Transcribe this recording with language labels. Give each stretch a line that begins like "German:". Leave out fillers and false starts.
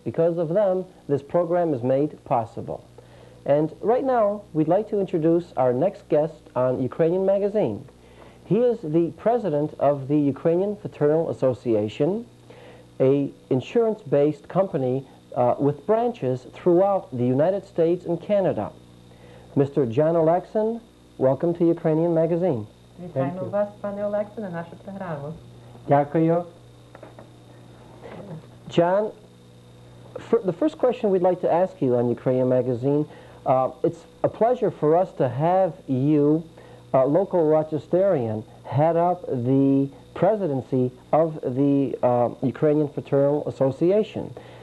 English: Because of them, this program is made possible. And right now, we'd like to introduce our next guest on Ukrainian Magazine. He is the president of the Ukrainian Fraternal Association, a insurance-based company with branches throughout the United States and Canada. Mr. John Oleksin, welcome to Ukrainian Magazine.
Ukrainian: Вітаємо вас, пане Олексе, на нашу програму. Дякую.
English: John, the first question we'd like to ask you on Ukrainian Magazine, it's a pleasure for us to have you, a local Rochesterian, head up the presidency of the Ukrainian Fraternal Association.